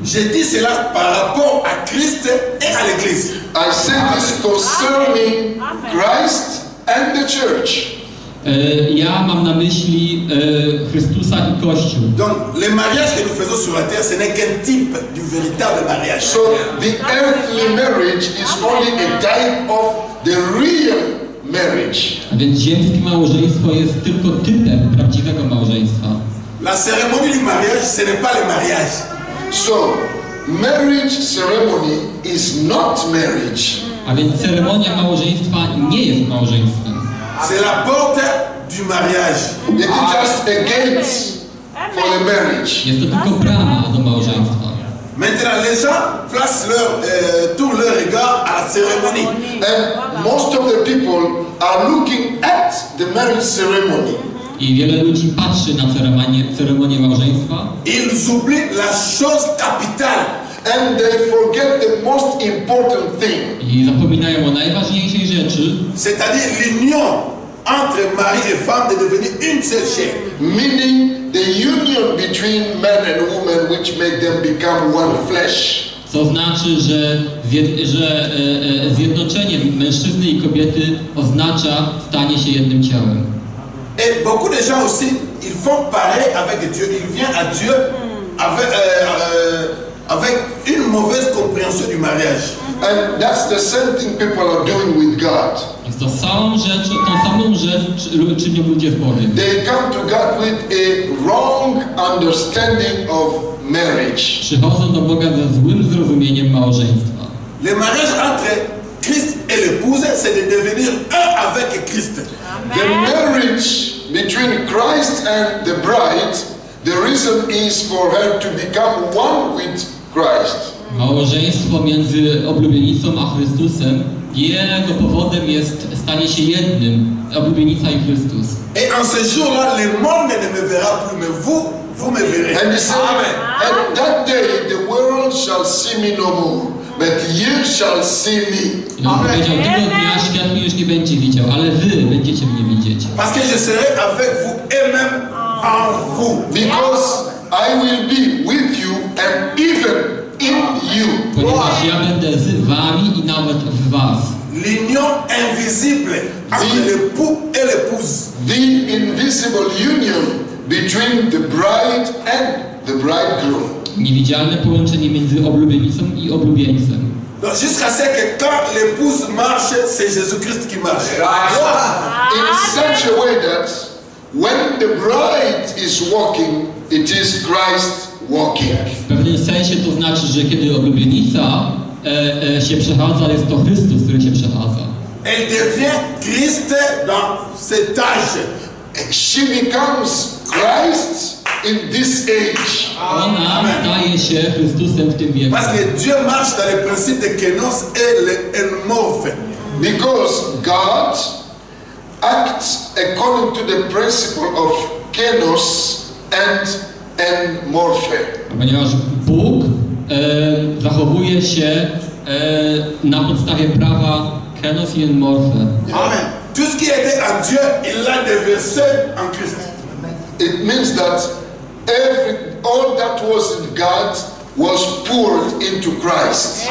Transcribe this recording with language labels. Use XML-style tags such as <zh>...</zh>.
<fr>je dis cela par rapport à Christ et à l'Église.</fr> <en>I say this concerning Christ and the Church.</en> <pl>Ja mam na myśli Chrystusa i Kościół.</pl> <fr>Donc le mariage que nous faisons sur la terre, ce n'est qu'un type du véritable mariage.</fr> <en>So the earthly marriage is only a type of the real marriage.</en> <pl>A więc ziemskie małżeństwo jest tylko typem prawdziwego małżeństwa.</pl> <fr>La cérémonie du mariage, ce n'est pas le mariage.</fr> <en>So, marriage ceremony is not marriage.</en> <pl>A więc ceremonia małżeństwa nie jest małżeństwem.</pl> <fr>C'est la porte du mariage.</fr> <en>It is just a gate for the marriage.</en> <pl>Jest to tylko brama do małżeństwa.</pl> <fr>Maintenant, les gens placent leur tout leur regard à la cérémonie.</fr> <en>And most of the people are looking at the marriage ceremony.</en> <pl>I wiele ludzi patrzy na ceremonię małżeństwa.</pl> <fr>Ils oublient la chose capitale.</fr> <en>And they forget the most important thing.</en> <pl>I zapominają o najważniejszej rzeczy.</pl> <fr>C'est-à-dire l'union entre mari et femme de devenir une seule chair.</fr> <en>Meaning the union between man and woman, which made them become one flesh.</en> <pl>Co znaczy, że zjednoczenie mężczyzny i kobiety oznacza stanie się jednym ciałem.</pl> <fr>Et beaucoup de gens aussi, ils font pareil avec Dieu. Ils viennent à Dieu avec avec une mauvaise compréhension du mariage.</fr> <en>And that's the same thing people are doing with God.</en> <pl>Jest to tą samą rzecz czynią ludzie w Bogu.</pl> <en>They come to God with a wrong understanding of marriage.</en> <pl>Przychodzą do Boga ze złym zrozumieniem małżeństwa.</pl> <fr>Le mariage entre Christ et l'épouse, c'est de devenir un avec Christ.</fr> <en>The marriage between Christ and the bride, the reason is for her to become one with Christ.</en> <pl>Małżeństwo między oblubienicą a Chrystusem, jego powodem jest stanie się jednym, oblubienica i Chrystus.</pl> <fr>Et en ce jour-là, le monde ne me verra plus, mais vous, vous me verrez.</fr> <en>And he said, Amen. And that day the world shall see me no more. But you shall see me.</en> <pl>Powiedział, tego dnia świat mi już nie będzie widział, ale wy będziecie mnie widzieć.</pl> <fr>Parce que je serai avec vous et même en vous.</fr> <en>Because I will be with you and even in you.</en> <pl>Ponieważ ja będę z wami i nawet w was.</pl> <fr>L'union invisible entre l'époux et l'épouse.</fr> <en>The invisible union between the bride and the bridegroom.</en> <pl>Niewidzialne połączenie między oblubienicą i oblubieńcem.</pl> <fr>No, jusqu'à ce que quand l'épouse marche, c'est Jésus-Christ qui marche.</fr> <en>In such a way that when the bride is walking, it is Christ walking.</en> <pl>W pewnym sensie to znaczy, że kiedy oblubienica się przechadza, jest to Chrystus, który się przechadza.</pl> <fr>Elle devient Christ dans cet âge.</fr> <en>She becomes Christ in this age.</en> <pl>Ona staje się Chrystusem w tym wieku.</pl> <fr>Parce que Dieu marche dans le principe de kenos et en morphe.</fr> <en>Because God acts according to the principle of kenos and en morphe.</en> <pl>Ponieważ Bóg zachowuje się na podstawie prawa kenos i en morphe. Amen.</pl> <fr>Tout ce qui était en Dieu, il l'a déversé en Christ.</fr> <en>It means that all that was in God was poured into Christ.</en>